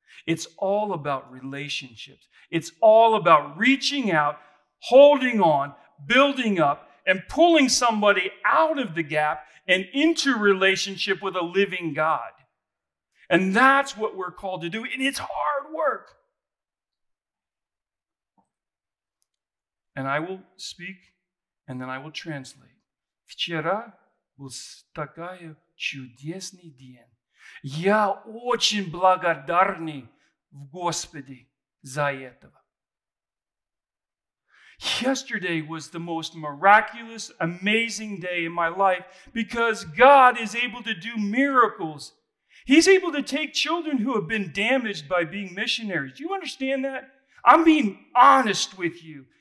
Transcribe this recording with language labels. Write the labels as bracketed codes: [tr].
[en] It's all about relationships. It's all about reaching out, holding on, building up, and pulling somebody out of the gap and into relationship with a living God. And that's what we're called to do. And it's hard work. And I will speak, and then I will translate. [ru] Вчера был такой чудесный день. Я очень благодарный в Господе за этого. [en] yesterday was the most miraculous, amazing day in my life because God is able to do miracles. He's able to take children who have been damaged by being missionaries. Do you understand that? I'm being honest with you.